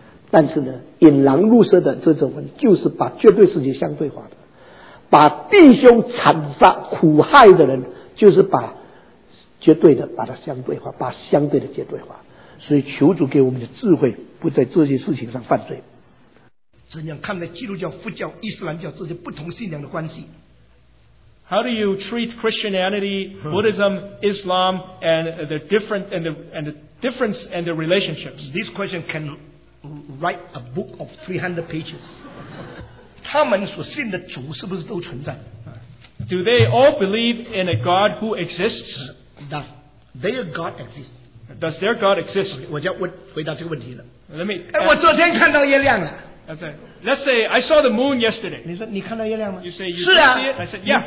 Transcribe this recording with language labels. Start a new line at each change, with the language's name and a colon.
Chinese: 但是呢，引狼入室的这种人就是把绝对事情相对化的，把弟兄残杀苦害的人就是把绝对的把它相对化，把相对的绝对化。所以求主给我们的智慧不在这些事情上犯罪。怎样看待基督教、佛教、伊斯兰教这些不同信仰的关系？
English: How do you treat Christianity, Buddhism, Islam and the different and the difference and the relationships? This question can write a book of 300 pages.
Chinese: 他们所信的主是不是都存在？
English: Do they all believe in a God who exists? Does their God exist? Does their God exist?
Chinese: Okay, 我就要回答这个问题了。
English: Let me.
Chinese: 我昨天看到月亮了。
English: Let's say I saw the moon yesterday.
Chinese: 你说你看到月亮吗？
English: You say you
Chinese: 是啊。
English: I said yeah.